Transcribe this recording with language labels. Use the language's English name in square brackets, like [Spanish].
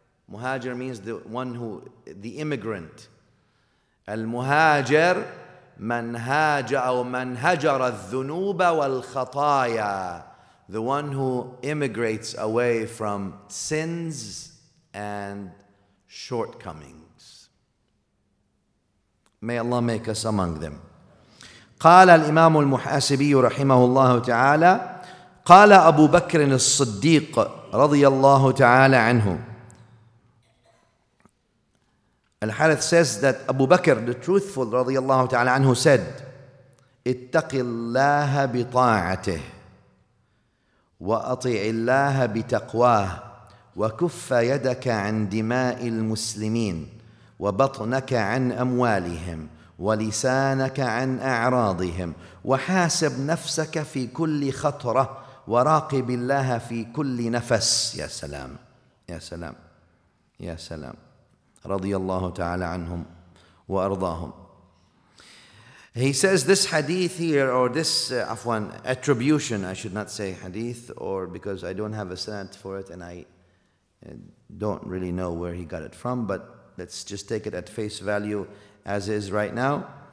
[English] Muhajir means the one who, the immigrant. [Arabic] Al muhajir, man haja or man hajara dhunuba wal khataya. [English] The one who immigrates away from sins and shortcomings. May Allah make us among them. [Arabic] قال الإمام المحاسبي رحمه الله تعالى قال أبو بكر الصديق رضي الله تعالى عنه. [English] Al-Harith says that Abu Bakr, the truthful, [Arabic] رضي الله تعالى عنه, said, اتق الله بطاعته وأطيع الله بتقواه وكف يدك عن دماء المسلمين وبطنك عن أموالهم ولسانك عن أعراضهم وحاسب نفسك في كل خطرة وراقب الله في كل نفس. يا سلام يا سلام يا سلام. رضي الله تعالى عنهم وأرضاهم. [English] He says this hadith here, or this attribution, I should not say hadith, or because I don't have a sanad for it and I don't really know where he got it from, but let's just take it at face value as is right now.